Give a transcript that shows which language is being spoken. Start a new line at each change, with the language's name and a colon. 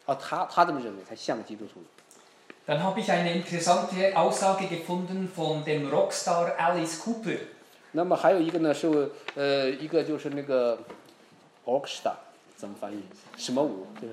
Chinese: 你要是比如说你会唱很多的那歌曲呢，人们才觉得啊，这个差不多是应该像个基督徒了。哦，他这么认为才像个基督徒。
German: Dann habe ich eine interessante Aussage gefunden von dem Rockstar Alice Cooper.
Chinese: 那么还有一个呢，是一个就是那个 Rockstar 怎么翻译？什么舞？